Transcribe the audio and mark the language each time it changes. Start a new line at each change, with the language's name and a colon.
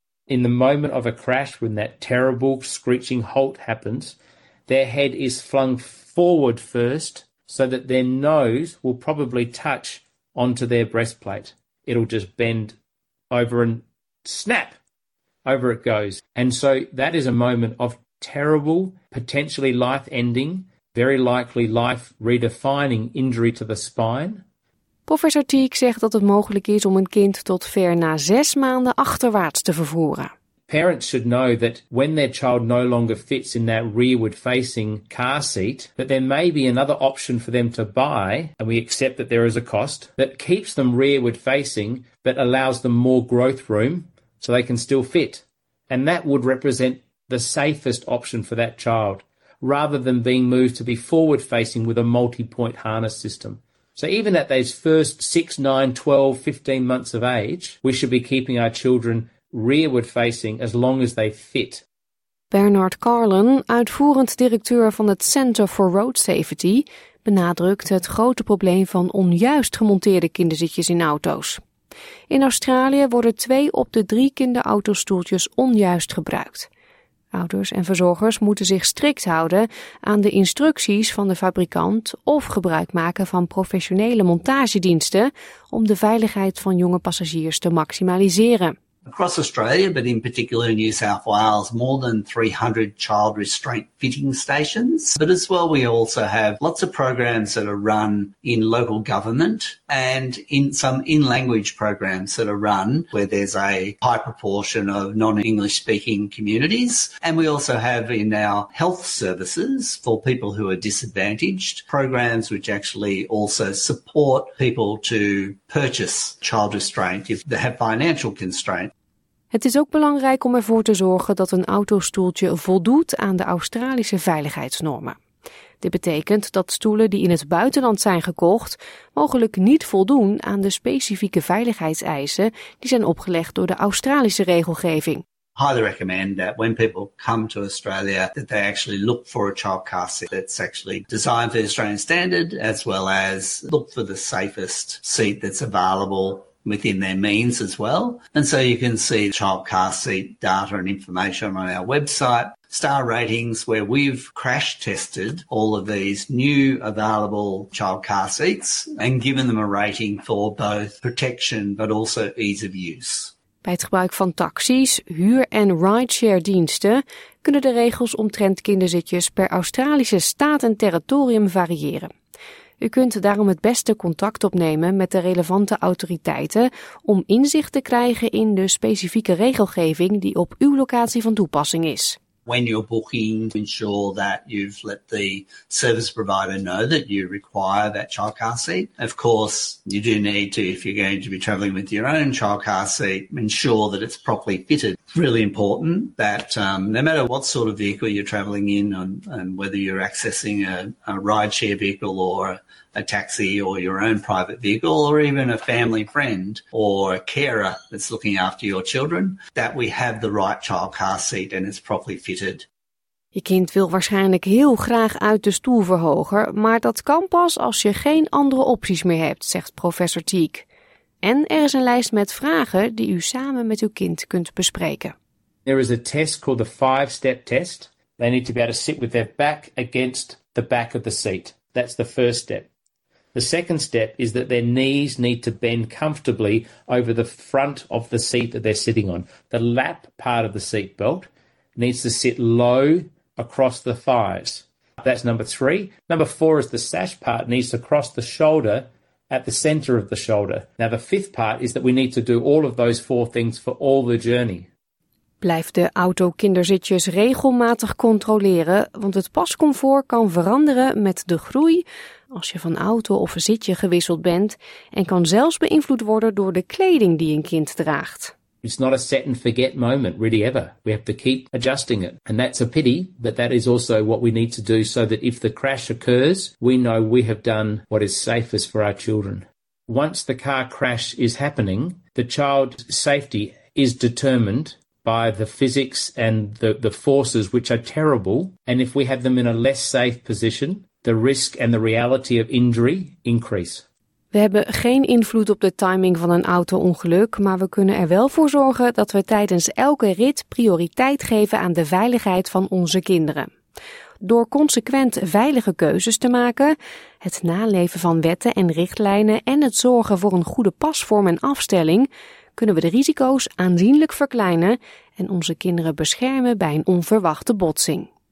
English: In the moment of a crash, when that terrible screeching halt happens, their head is flung forward first, so that their nose will probably touch onto their breastplate. It'll just bend over and snap, over it goes. And so that is a moment of terrible, potentially life-ending, very likely life-redefining injury to the spine.
Dutch: Professor Teek zegt dat het mogelijk is om een kind tot ver na 6 maanden achterwaarts te vervoeren.
English: Parents should know that when their child no longer fits in that rearward-facing car seat, that there may be another option for them to buy, and we accept that there is a cost, that keeps them rearward-facing but allows them more growth room so they can still fit. And that would represent the safest option for that child, rather than being moved to be forward-facing with a multi-point harness system. So even at those first 6, 9, 12, 15 months of age, we should be keeping our children rearward facing as long as they fit.
Dutch: Bernard Carlin, uitvoerend directeur van het Center for Road Safety, benadrukt het grote probleem van onjuist gemonteerde kinderzitjes in auto's. In Australië worden 2 op de 3 kinderautostoeltjes onjuist gebruikt. Ouders en verzorgers moeten zich strikt houden aan de instructies van de fabrikant of gebruik maken van professionele montagediensten om de veiligheid van jonge passagiers te maximaliseren.
English: Across Australia, but in particular in New South Wales, more than 300 child restraint fitting stations. But as well, we also have lots of programs that are run in local government and in some in-language programs that are run where there's a high proportion of non-English speaking communities. And we also have in our health services for people who are disadvantaged programs, which actually also support people to purchase child restraint if they have financial constraints.
Dutch: Het is ook belangrijk om ervoor te zorgen dat een autostoeltje voldoet aan de Australische veiligheidsnormen. Dit betekent dat stoelen die in het buitenland zijn gekocht, mogelijk niet voldoen aan de specifieke veiligheidseisen die zijn opgelegd door de Australische regelgeving.
English: Highly recommend that when people come to Australia that they actually look for a child car seat that's actually designed for the Australian standard, as well as look for the safest seat that's available within their means as well. And so you can see child car seat data and information on our website, star ratings, where we've crash tested all of these new available child car seats and given them a rating for both protection but also ease of use.
Dutch: Bij het gebruik van taxis, huur- en rideshare diensten kunnen de regels omtrent kinderzitjes per Australische staat en territorium variëren. U kunt daarom het beste contact opnemen met de relevante autoriteiten om inzicht te krijgen in de specifieke regelgeving die op uw locatie van toepassing is.
English: when you're booking, ensure that you've let the service provider know that you require that child car seat. Of course, you do need to, if you're going to be traveling with your own child car seat, ensure that it's properly fitted. Really important that no matter what sort of vehicle you're traveling in, and whether you're accessing a rideshare vehicle or a taxi or your own private vehicle or even a family friend or a carer that's looking after your children, that we have the right child car seat and it's properly fitted.
Dutch: Je kind wil waarschijnlijk heel graag uit de stoel verhogen, maar dat kan pas als je geen andere opties meer hebt, zegt professor Teek. En er is een lijst met vragen die u samen met uw kind kunt bespreken.
English: There is a test called the 5-step test. They need to be able to sit with their back against the back of the seat. That's the first step. The second step is that their knees need to bend comfortably over the front of the seat that they're sitting on. The lap part of the seat belt needs to sit low across the thighs. That's number three. Number four is the sash part needs to cross the shoulder at the center of the shoulder. Now, the fifth part is that we need to do all of those four things for all the journey.
Dutch: Blijf de autokinderzitjes regelmatig controleren, want het pascomfort kan veranderen met de groei als je van auto of zitje gewisseld bent en kan zelfs beïnvloed worden door de kleding die een kind draagt.
English: It's not a set and forget moment, really ever. We have to keep adjusting it. And that's a pity, but that is also what we need to do so that if the crash occurs, we know we have done what is safest for our children. Once the car crash is happening, the child's safety is determined by the physics and the forces, which are terrible. And if we have them in a less safe position, the risk and the reality of injury increase.
Dutch: We hebben geen invloed op de timing van een auto-ongeluk, maar we kunnen er wel voor zorgen dat we tijdens elke rit prioriteit geven aan de veiligheid van onze kinderen. Door consequent veilige keuzes te maken, het naleven van wetten en richtlijnen en het zorgen voor een goede pasvorm en afstelling, kunnen we de risico's aanzienlijk verkleinen en onze kinderen beschermen bij een onverwachte botsing.